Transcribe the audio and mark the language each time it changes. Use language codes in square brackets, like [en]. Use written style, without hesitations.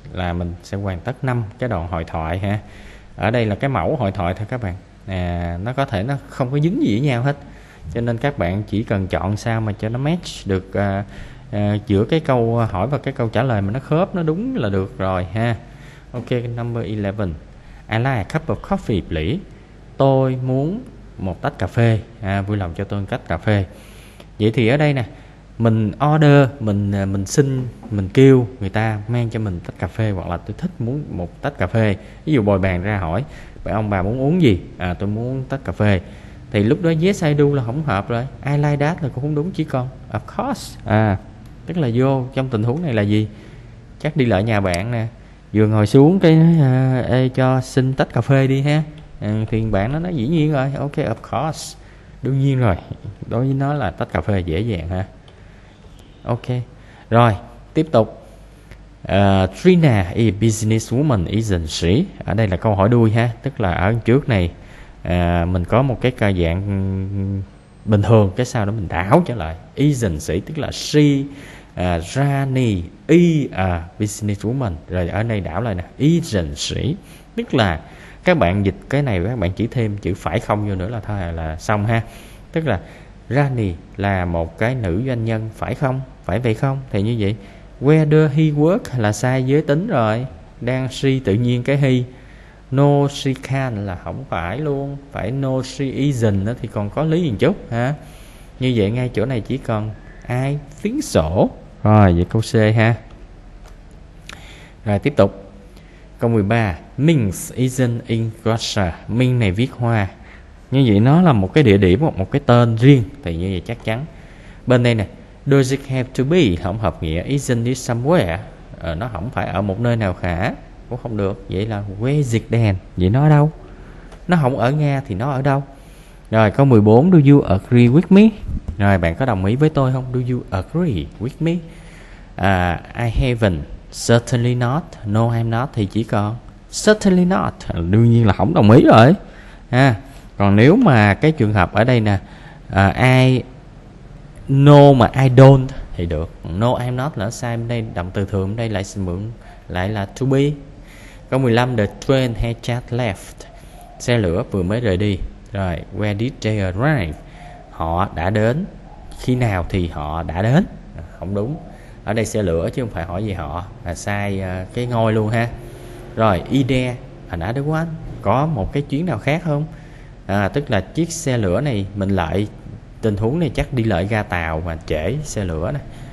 [vi] Là mình sẽ hoàn tất 5 cái đoạn hội thoại ha. Ở đây là cái mẫu hội thoại thôi các bạn. À, nó có thể nó không có dính gì với nhau hết. Cho nên các bạn chỉ cần chọn sao mà cho nó match được giữa cái câu hỏi và cái câu trả lời mà nó khớp, nó đúng là được rồi ha. [en] Ok, number 11. I like a cup of coffee, please. [vi] Tôi muốn một tách cà phê. À, vui lòng cho tôi một tách cà phê. Vậy thì ở đây nè, mình order, mình xin, mình kêu người ta mang cho mình tách cà phê, hoặc là tôi thích muốn một tách cà phê. Ví dụ bồi bàn ra hỏi, vậy ông bà muốn uống gì? À, tôi muốn tách cà phê. Thì lúc đó [en] yes I do [vi] là không hợp rồi. [en] I like that [vi] là cũng không đúng, chỉ còn [en] of course. [vi] À, tức là vô trong tình huống này là gì? Chắc đi lại nhà bạn nè. Vừa ngồi xuống cái ê, cho xin tách cà phê đi ha. À, thì bạn nó nói dĩ nhiên rồi, [en] ok of course. [vi] Đương nhiên rồi, đối với nó là tách cà phê dễ dàng ha. Ok, rồi, tiếp tục. [en] Trina is a businesswoman, isn't she? [vi] Ở đây là câu hỏi đuôi ha. Tức là ở trước này, mình có một cái ca dạng bình thường. Cái sau đó mình đảo trở lại. [en] Isn't she? [vi] Tức là [en] she, Rani, is a businesswoman. [vi] Rồi ở đây đảo lại nè. [en] Isn't she? [vi] Tức là các bạn dịch cái này các bạn chỉ thêm chữ phải không vô nữa là thôi là xong ha. Tức là Rani là một cái nữ doanh nhân, phải không? Phải vậy không? Thì như vậy, [en] where do he work [vi] là sai giới tính rồi. Đang she tự nhiên cái he. [en] No she can [vi] là không phải luôn. Phải [en] no she isn't [vi] nữa thì còn có lý một chút ha. Như vậy ngay chỗ này chỉ cần [en] I think so. [vi] Rồi, vậy câu C ha. Rồi, tiếp tục. Câu 13, [en] Minsk isn't in Russia. [vi] Minsk này viết hoa. Như vậy nó là một cái địa điểm hoặc một cái tên riêng. Thì như vậy chắc chắn. Bên đây nè, [en] does it have to be? [vi] Không hợp nghĩa. [en] Isn't it somewhere? [vi] Nó không phải ở một nơi nào cả. Cũng không được. Vậy là [en] where is it then? [vi] Vậy nó ở đâu? Nó không ở Nga thì nó ở đâu? Rồi, câu 14, [en] do you agree with me? [vi] Rồi, bạn có đồng ý với tôi không? [en] Do you agree with me? I haven't. Certainly not. No, I'm not. [vi] Thì chỉ còn certainly not. Đương nhiên là không đồng ý rồi. À, còn nếu mà cái trường hợp ở đây nè, [en] I know [vi] mà [en] I don't [vi] thì được. [en] No, I'm not [vi] là sai. Bên đây động từ thường, bên đây lại xin mượn lại là to be. Câu 15, [en] the train has just left. [vi] Xe lửa vừa mới rời đi. [en] Rồi, where did they arrive? [vi] Họ đã đến. Khi nào thì họ đã đến? Không đúng. Ở đây xe lửa chứ không phải hỏi gì họ là sai cái ngôi luôn ha. Rồi, [en] ide another one, [vi] có một cái chuyến nào khác không? À, tức là chiếc xe lửa này mình lại tình huống này chắc đi lại ga tàu mà trễ xe lửa này.